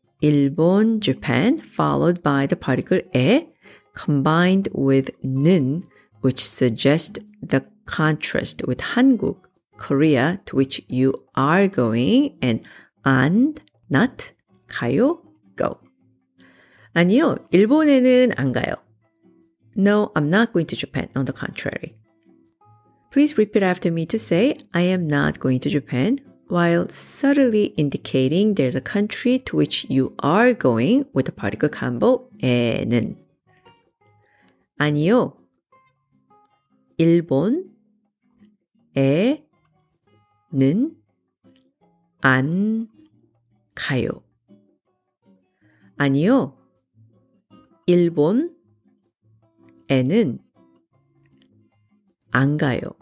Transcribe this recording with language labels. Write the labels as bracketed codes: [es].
[en] 일본, Japan, followed by the particle 에, combined with 는, which suggests the contrast with 한국, Korea, to which you are going, and 안, not, 가요, go. [ko] 아니요, 일본에는 안 가요. [en] No, I'm not going to Japan, on the contrary. Please repeat after me to say, I am not going to Japan, while subtly indicating there's a country to which you are going with the particle combo 에는. [ko] 아니요, 일본에는 안 가요. 아니요, 일본에는 안 가요.